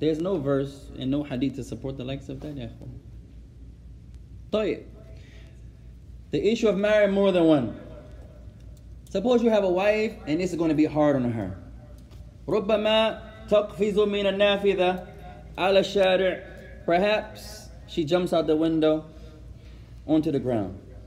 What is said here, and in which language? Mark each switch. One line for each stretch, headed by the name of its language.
English: There's no verse and no hadith to support the likes of that,
Arabic: يا إخوان.
English: طيب. The issue of marrying more than one. Suppose you have a wife and it's going to be hard on her.
Arabic: ربما تقفز من النافذة على الشارع.
English: Perhaps she jumps out the window onto the ground.